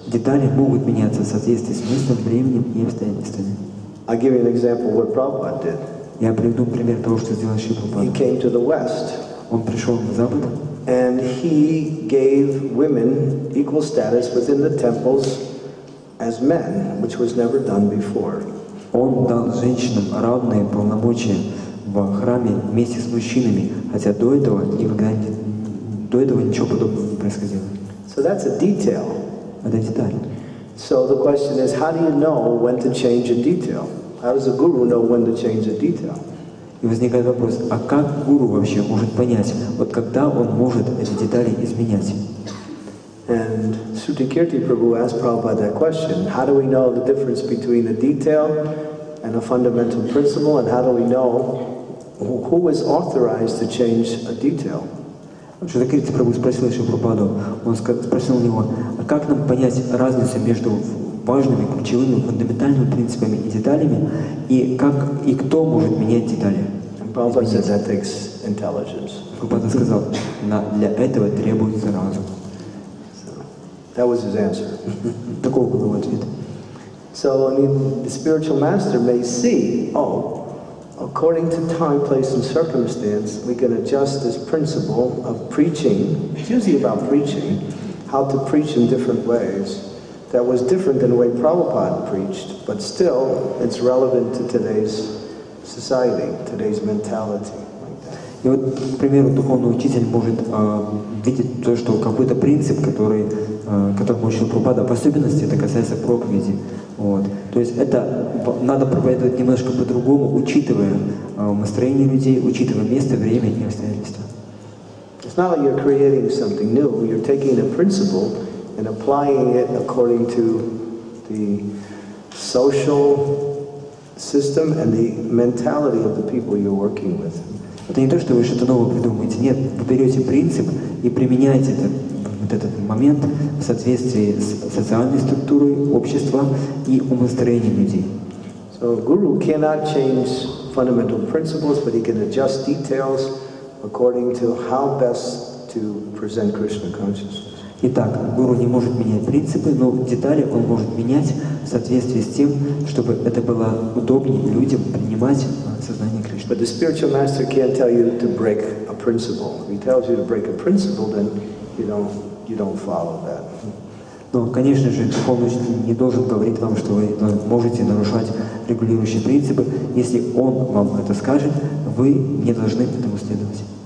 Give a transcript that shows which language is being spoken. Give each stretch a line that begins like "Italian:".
Russian: Детали могут меняться в соответствии с местом, временем и обстоятельствами.
English: I'll give you an example of what Prabhupada did.
Russian: Я приведу пример того, что сделал Шри Прабхупада.
English: He came to the West.
Russian: Он пришел на Запад.
English: And he gave women equal status within the temples as men, which was never done before.
Russian: Он дал женщинам равные полномочия в храме вместе с мужчинами, хотя до этого никогда ничего подобного не происходило.
English: So that's a detail.
Russian: Это деталь.
English: So the question is, how do you know when to change a detail? How does a guru know when to change a detail?
Russian: И возникает вопрос, а как гуру вообще может понять, вот когда он может эти детали изменять?
English: And Sutikirti Prabhu asked Prabhupada that question. How do we know the difference between a detail and a fundamental principle, and how do we know who is authorized to change a detail?
Russian: Sutikirti Prabhu спросил Шри Прабхупаду, он спросил у него, а как нам понять разницу между важными, ключевыми, фундаментальными принципами и деталями, и как и кто может менять детали?
English: Prabhupada said that takes intelligence.
Russian: Прабхупада сказал, для этого требуется разум.
English: That was his answer.
Russian: Такого было ответ.
English: So, I mean, the spiritual master may see, oh, according to time, place, and circumstance, we can adjust this principle of preaching, it's usually about preaching, how to preach in different ways, that was different than the way Prabhupada preached, but still, it's relevant to today's society, today's mentality.
Russian: И вот, к примеру, духовный учитель может видеть то, что какой-то принцип, который учил Прабхупада, в особенности это касается проповеди. Вот. То есть это надо проповедовать немножко по-другому, учитывая настроение людей, учитывая место, время и обстоятельства.
English: It's not like you're creating something new. You're taking a principle and applying it according to the social system and the mentality of the people you're working with.
Russian: Это не то, что вы что-то новое придумываете. Нет, вы берете принцип и применяете этот момент в соответствии с социальной структурой общества и умонастроением людей.
English: So guru cannot change fundamental principles, but he can adjust details according to how best to present Krishna consciousness.
Russian: Итак, гуру не может менять принципы, но детали он может менять в соответствии с тем, чтобы это было удобнее людям принимать сознание Кришны.
English: But the spiritual master can't tell you to break a principle. If he tells you to break a principle, then you don't follow that.
Russian: Но, конечно же, духовный учитель не должен говорить вам, что вы можете нарушать регулирующие принципы. Если он вам это скажет, вы не должны этому следовать.